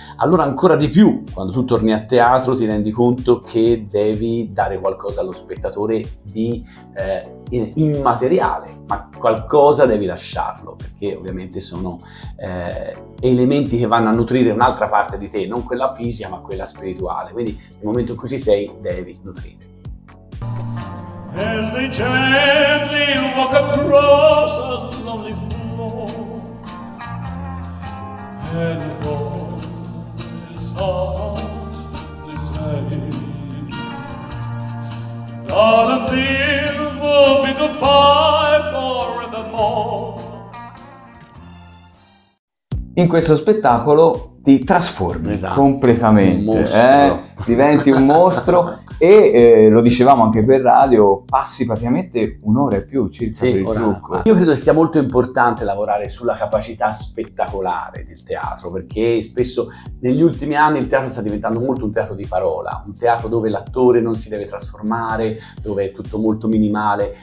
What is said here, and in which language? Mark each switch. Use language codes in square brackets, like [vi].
[it] Allora ancora di più, quando tu torni a teatro ti rendi conto che devi dare qualcosa allo spettatore di immateriale, ma qualcosa devi lasciarlo, perché ovviamente sono elementi che vanno a nutrire un'altra parte di te, non quella fisica ma quella spirituale, quindi nel momento in cui ci sei devi nutrire. [en] As they gently walk across a lonely floor, and a voice softly says, darling, this will be goodbye forevermore. [it] in questo spettacolo ti trasformi, esatto, completamente, diventi un mostro e lo dicevamo anche per radio, passi praticamente un'ora e più circa, sì, per il trucco. Io credo che sia molto importante lavorare sulla capacità spettacolare del teatro, perché spesso negli ultimi anni il teatro sta diventando molto un teatro di parola, un teatro dove l'attore non si deve trasformare, dove è tutto molto minimale.